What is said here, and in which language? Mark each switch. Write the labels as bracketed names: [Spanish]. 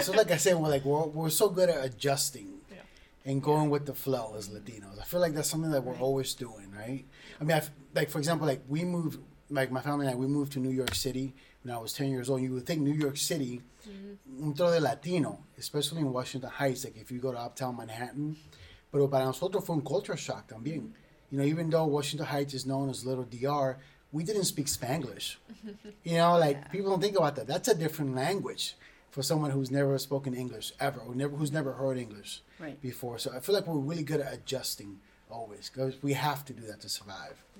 [English] So like I said, we're so good at adjusting and going with the flow as Latinos. I feel like that's something that we're always doing, right? I mean, like, for example, like we moved, like my family and I, we moved to New York City when I was 10 years old. You would think New York City, [Spanish] un tro de Latino, [English] especially in Washington Heights, like if you go to Uptown Manhattan. [Spanish] Pero para nosotros fue un [English] culture shock [Spanish] también. [English] You know, even though Washington Heights is known as Little DR, we didn't speak Spanglish. You know, like people don't think about that. That's a different language for someone who's never spoken English ever, or never, who's never heard English before. So I feel like we're really good at adjusting always, because we have to do that to survive.